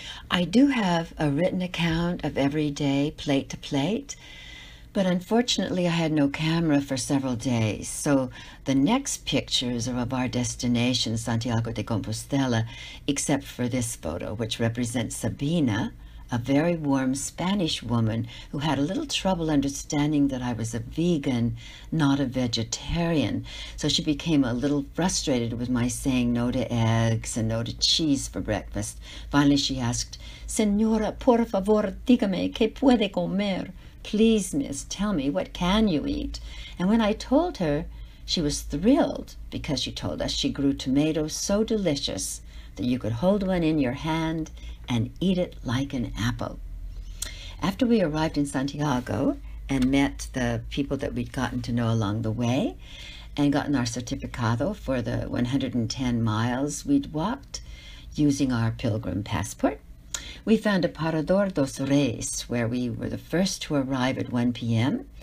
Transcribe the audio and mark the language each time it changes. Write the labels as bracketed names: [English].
[English] I do have a written account of every day, plate to plate, but unfortunately I had no camera for several days, so the next pictures are of our destination, Santiago de Compostela, except for this photo, which represents Sabina, a very warm Spanish woman who had a little trouble understanding that I was a vegan, not a vegetarian. So she became a little frustrated with my saying no to eggs and no to cheese for breakfast. Finally, she asked, [Spanish] "Señora, por favor, dígame qué puede comer. [English] Please, miss, tell me, what can you eat?" And when I told her, she was thrilled because she told us she grew tomatoes so delicious that you could hold one in your hand and eat it like an apple. After we arrived in Santiago and met the people that we'd gotten to know along the way and gotten our certificado for the 110 miles we'd walked using our pilgrim passport, we found a Parador dos Reyes where we were the first to arrive at 1 p.m.